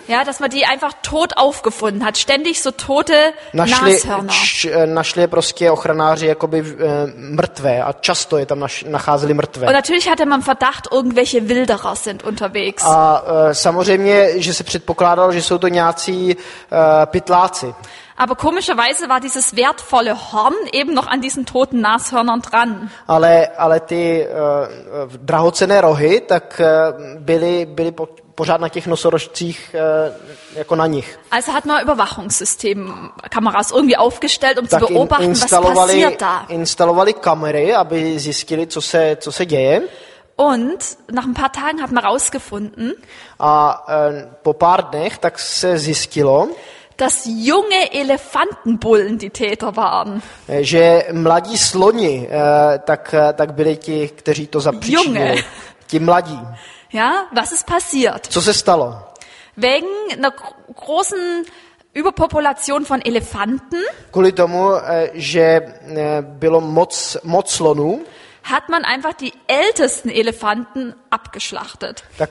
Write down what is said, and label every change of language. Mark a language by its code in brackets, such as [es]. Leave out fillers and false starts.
[de] Ja, dass man die einfach tot aufgefunden hat, ständig so tote Nashörner. [cs] Našli je prostě ochranáři jakoby mrtvé a často je tam nacházeli mrtvé. [de] Und natürlich hatte man Verdacht, irgendwelche Wilderer sind unterwegs. [cs] A samozřejmě, že se předpokládalo, že jsou to nějací pytláci. [de] Aber komischerweise war dieses wertvolle Horn eben noch an diesen toten Nashörnern dran. [cs] Ale ty drahocenné rohy tak byly pořád na těch nosorožcích jako na nich. [de] Also hat man Überwachungssystem, Kameras irgendwie aufgestellt, um zu beobachten, was passiert da. [cs] Instalovali kamery, aby zjistili, co se děje. [de] Und nach ein paar Tagen hat man rausgefunden. [cs] A po pár dnech tak se zjistilo, [de] dass junge Elefantenbullen die Täter waren. [cs] Že mladí sloni, tak byli ti, kteří to zapříčinili. Ti mladí. [de] Ja, was ist passiert? [cs] Co se stalo? [de] Wegen einer großen Überpopulation von Elefanten. [cs] Kvůli tomu, že bylo moc slonů. [de] Hat man einfach die ältesten Elefanten abgeschlachtet.